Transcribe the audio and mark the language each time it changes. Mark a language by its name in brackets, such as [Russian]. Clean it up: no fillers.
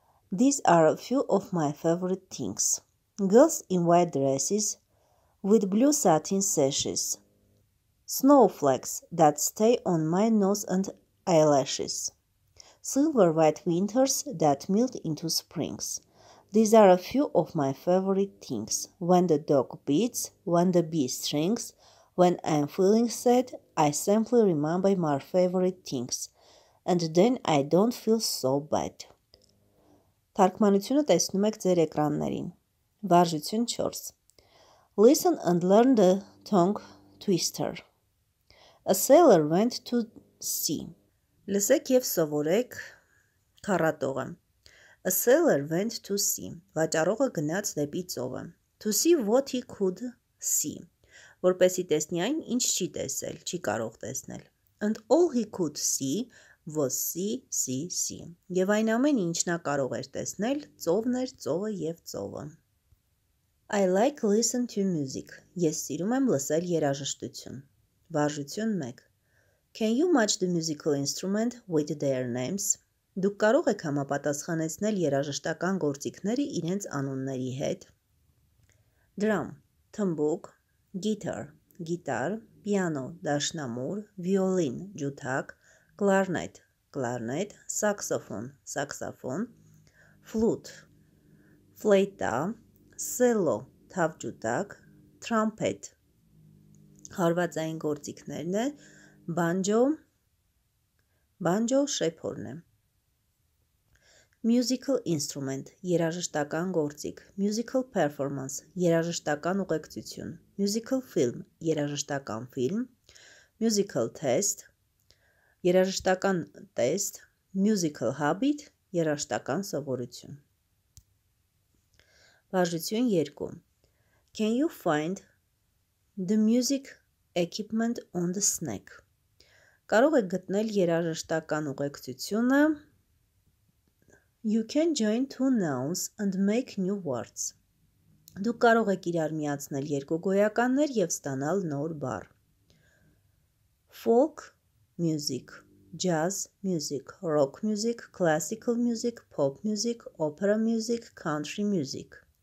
[English] These are a few of my favorite things. Girls in white dresses with blue satin sashes, snowflakes that stay on my nose and eyelashes, silver-white winters that melt into springs. These are a few of my favorite things. When the dog beats, when the bee stings, when I'm feeling sad, I simply remember my favorite things. And then I don't feel so bad. [Armenian] Թարգմանությունը տեսնում եք ձեր էկրաններին. Վարժություն 4. [English] Listen and learn the tongue twister. A sailor went to sea. [Armenian] Լսեք եւ սովորեք քառատողը. [English] A sailor went to sea. [Armenian] Վաճառողը գնաց դեպի ծովը. [English] To see what he could see. [Armenian] Որպեսի տեսնի այն, ինչ չի տեսել, չի կարող տեսնել. [English] And all he could see was sea. [Armenian] Եվ այն ամեն ինչ նա կարող էր տեսնել, ծովներ, ծովը եւ ծովը. [English] I like listen to music. [Armenian] Ես սիրում եմ լսել երաժշտություն. Վարժություն 1. [English] Can you match the musical instrument with their names? [Armenian] Դուք կարող եք համապատասխանեցնել երաժշտական գործիքները իրենց անունների հետ. [English] Drum, [Armenian] թմբուկ, [English] guitar, [Armenian] գիտար, [English] piano, [Armenian] դաշնամուր, [English] violin, [Armenian] ջութակ, [English] clarinet, clarinet, saxophone, saxophone, flute, [Armenian] flauta, [English] cello, [Armenian] թավջութակ, [English] trumpet. [Armenian] Հարվածային գործիքներն է Banjo, banjo շեփորնը. [English] Musical instrument, [Armenian] երաժշտական գործիք. [English] Musical performance, [Armenian] երաժշտական ուղեկցություն. [English] Musical film, [Armenian] երաժշտական ֆիլմ. [English] Musical test, [Armenian] երաժշտական տեստ. [English] Musical habit, [Armenian] երաժշտական սովորություն. Վարժություն 2. [English] Can you find the music equipment on the snack? [Armenian] Կարող եք գտնել երաժշտական ուղեկցությունը. [English] You can join two nouns and make new words. [Armenian] Դուք կարող եք իրար միացնել երկու գոյականներ եւ ստանալ նոր բառ. [English] Folk music, jazz music, rock music, classical music, pop music, opera music, country music.